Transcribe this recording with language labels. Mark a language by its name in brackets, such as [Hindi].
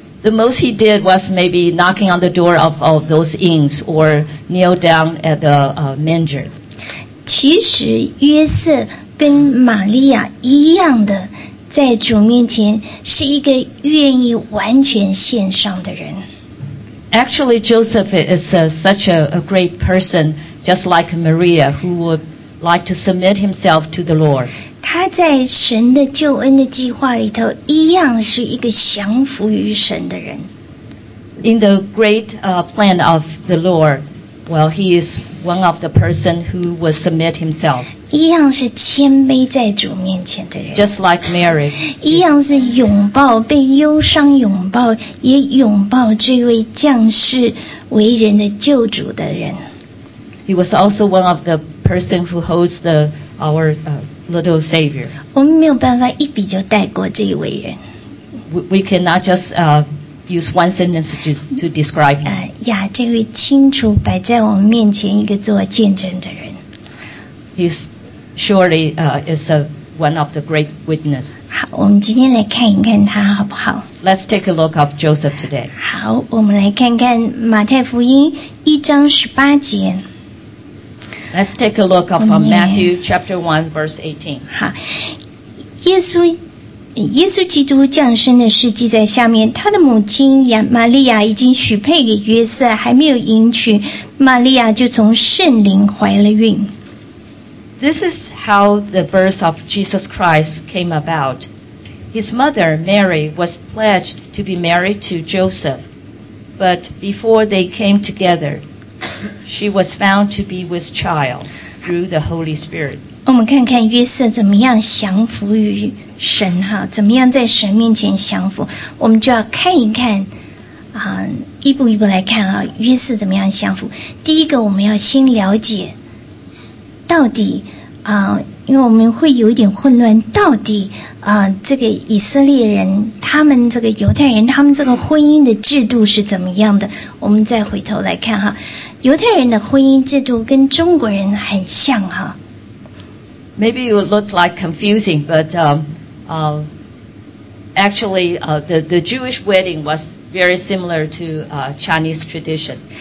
[English] The most he did was maybe knocking on the door of all those inns or kneel down at the manger. [Chinese] 其实约瑟跟玛利亚一样的，在主面前是一个愿意完全献上的人。 [English] Actually, Joseph is such a great person. just like Maria, who would like to submit himself to the Lord. [Chinese] 他在神的救恩的计划里头，一样是一个降服于神的人。 [English] In the great plan of the Lord, well, he is one of the person who will submit himself. [Chinese] 一样是谦卑在主面前的人。 [English] Just like Mary. [Chinese] 一样是拥抱，被忧伤拥抱，也拥抱这位降世为人的救主的人。 [English] He was also one of the person who holds the our little Savior. [Chinese] 我们没有办法一笔就带过这一位人。 [English] We cannot just use one sentence to describe him. [Chinese] 这位清楚摆在我们面前一个做见证的人。 [English] He's surely is one of the great witness. [Chinese] 好，我们今天来看一看他好不好？ [English] Let's take a look of Joseph today. [Chinese] 好，我们来看看马太福音一章十八节。 [English] Let's take a look of Matthew chapter 1, verse 18. [Chinese] 耶稣基督降生的事记在下面，他的母亲玛利亚已经许配给约瑟，还没有迎娶，玛利亚就从圣灵怀了孕。 [English] This is how the birth of Jesus Christ came about. His mother, Mary, was pledged to be married to Joseph. But before they came together, she was found to be with child through the Holy Spirit. [Chinese] 我们看看约瑟怎么样降服于神哈，怎么样在神面前降服。我们就要看一看，一步一步来看啊，约瑟怎么样降服。第一个，我们要先了解到底因为我们会有一点混乱，到底这个以色列人，他们这个犹太人，他们这个婚姻的制度是怎么样的？我们再回头来看哈，犹太人的婚姻制度跟中国人很像哈。 [English] Maybe it would look like confusing, but actually, the Jewish wedding was very similar to Chinese tradition.